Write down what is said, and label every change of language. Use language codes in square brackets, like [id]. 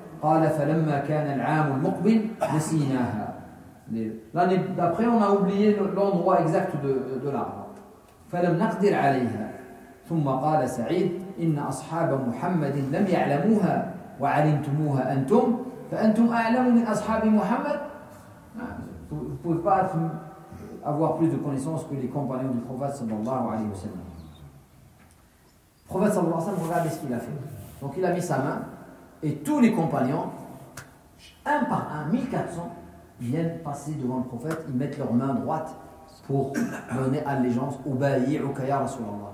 [ar] قال فلما كان العام المقبل نسيناها. [fr] L'année d'après, on a oublié l'endroit exact de l'arbre. [ar] فلم نقدر عليها. ثم قال سعيد إن أصحاب محمد لم يعلموها وعلمتموها أنتم فأنتم أعلم من أصحاب محمد. [fr] Vous pouvez pas avoir plus de connaissances que les compagnons du prophète sallallahu alayhi wa sallam. Prophète sallallahu alayhi wa sallam, regardez ce qu'il a fait. Donc il a mis sa main. Et tous les compagnons, un par un, 1400, viennent passer devant le prophète, ils mettent leur main droite pour donner allégeance au baï, au kaya Rasulallah.